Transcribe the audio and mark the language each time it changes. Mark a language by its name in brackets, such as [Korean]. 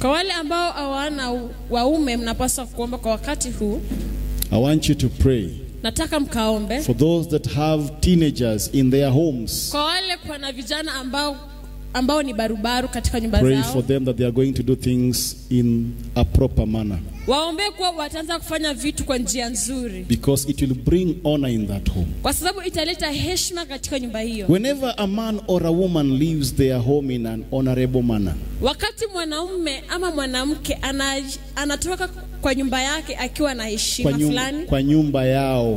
[Swahili] Kwa wale ambao hawana waume mnapaswa kuomba kwa wakati huu. [English] I want you to pray. [Swahili] Nataka mkaombe. [English] For those that have teenagers in their homes. [Swahili] Kwa wale kwa na vijana ambao ni barubaru katika nyumba zao. [English] Pray for them that they are going to do things in a proper manner. [Swahili] Waombe kwa wataanza kufanya vitu kwa njia nzuri. [English] Because it will bring honor in that home. [Swahili] Kwa sababu italeta heshima katika nyumba hiyo. [English] Whenever a man or a woman leaves their home in an honorable manner. [Swahili] Wakati mwanaume ama mwanamke anatoka kwa nyumba yake akiwa na heshima fulani. Kwa nyumba yao.